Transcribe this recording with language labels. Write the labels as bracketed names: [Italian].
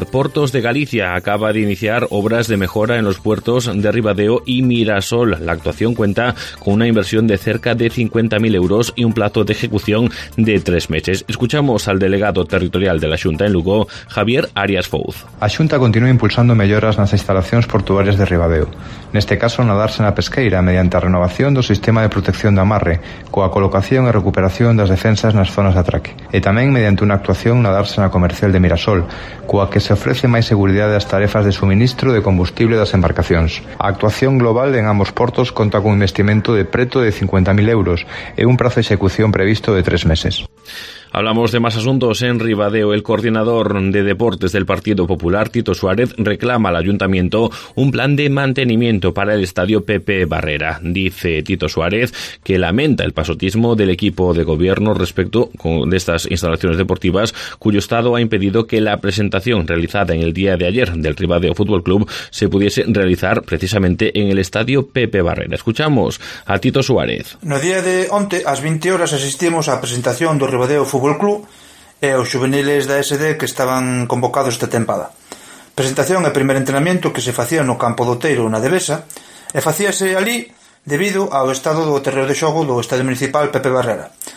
[Spanish] Puertos de Galicia acaba de iniciar obras de mejora en los puertos de Ribadeo y Mirasol. La actuación cuenta con una inversión de cerca de 50.000 euros y un plazo de ejecución de 3 meses. Escuchamos al delegado territorial de la Xunta en Lugo, Javier Arias Fouz. La Xunta continúa impulsando mejoras en las instalaciones portuarias de Ribadeo. En este caso, en la Dársena Pesqueira, mediante a renovación del sistema de protección de amarre, [Galician] coa colocación e recuperación das defensas nas zonas de atraque, e tamén mediante unha actuación na dársena comercial de Mirasol, coa que se ofrece máis seguridade ás tarefas de suministro de combustible das embarcacións. A actuación global en ambos portos conta cun investimento de preto de 50.000 euros e un prazo de execución previsto de 3 meses. [Spanish] Hablamos de más asuntos en Ribadeo. El coordinador de deportes del Partido Popular, Tito Suárez, reclama al ayuntamiento un plan de mantenimiento para el estadio Pepe Barrera. Dice Tito Suárez que lamenta el pasotismo del equipo de gobierno respecto de estas instalaciones deportivas, cuyo estado ha impedido que la presentación realizada en el día de ayer del Ribadeo Fútbol Club se pudiese realizar precisamente en el estadio Pepe Barrera. Escuchamos a Tito Suárez. [Galician] No día de onte, ás 20 horas, asistimos á presentación do Ribadeo Fútbol Club e os juveniles da SD que estaban convocados esta tempada. Presentación e primer entrenamiento que se facía no campo do Teiro na Devesa e facíase ali debido ao estado do terreo de xogo do Estadio Municipal Pepe Barrera.